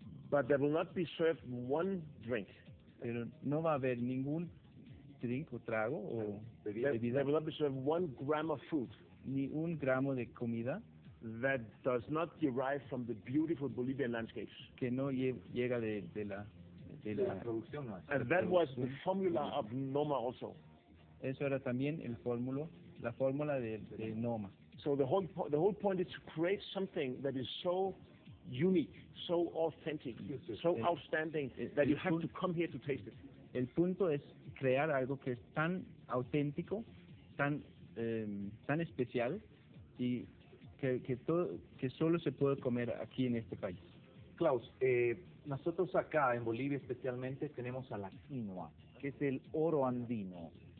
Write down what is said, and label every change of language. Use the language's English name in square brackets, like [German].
[English] But there will not be served one drink. [Spanish] Pero no va a haber ningún drink o trago o bebida. [English] There will not be served one gram of food. [Spanish] Ni un gramo de comida. [English] That does not derive from the beautiful Bolivian landscapes. [Spanish] Que no llega de la producción. [English] And that was the formula of Noma also. [Spanish] Eso era también la fórmula de Noma. [English] So the whole point is to create something that is so unique, so authentic, so outstanding that you have to come here to taste it. [Spanish] El punto es crear algo que es tan auténtico, tan tan especial y que solo se puede comer aquí en este país. Klaus, nosotros acá en Bolivia especialmente tenemos a la quinoa, que es el oro andino.